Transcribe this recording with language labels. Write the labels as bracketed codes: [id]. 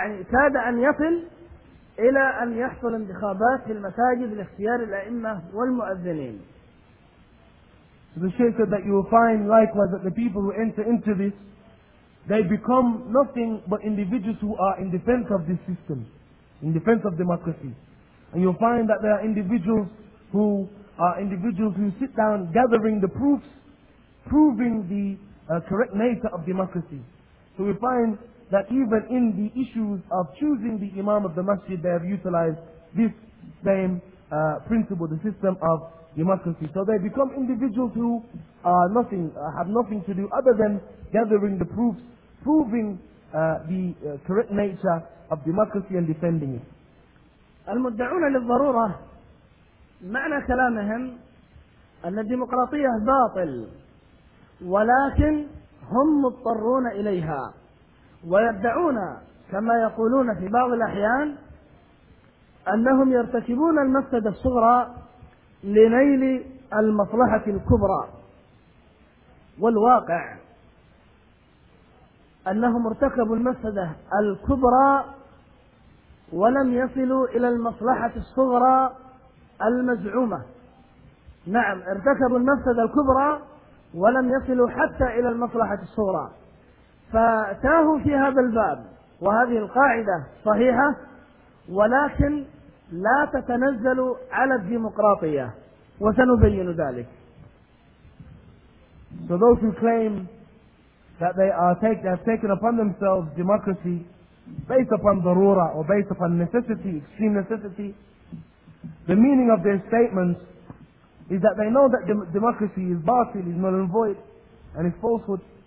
[ar] كاد أن يصل إلى أن يحصل انتخابات في المساجد لاختيار الأئمة والمؤذنين. [en] So the Shaykh said that you will find likewise that the people who enter into this, they become nothing but individuals who are in defense of this system, in defense of democracy. And you'll find that there are individuals who sit down gathering the proofs, proving the correct nature of democracy. So we find that even in the issues of choosing the imam of the masjid, they have utilized this same principle, the system of democracy. So they become individuals who have nothing to do other than gathering the proofs, proving the correct nature of democracy and defending it. [ar] المدعون للضرورة معنى كلامهم أن الديمقراطية باطل، ولكن هم مضطرون إليها، ويدعون كما يقولون في بعض الأحيان أنهم يرتكبون المفسدة الصغرى لنيل المصلحة الكبرى. والواقع أنهم ارتكبوا المفسدة الكبرى ولم يصلوا إلى المصلحة الصغرى المزعومة. نعم، ارتكبوا المفسدة الكبرى ولم يصلوا حتى إلى المصلحة الصغرى، فتاهوا في هذا الباب. وهذه القاعدة صحيحة، ولكن لا تتنزل على الديمقراطية، وسنبين ذلك. [en] So those who claim that they have taken upon themselves democracy based upon darura or based upon necessity, extreme necessity, the meaning of their statements is that they know that democracy is batil, is null and void, and is falsehood.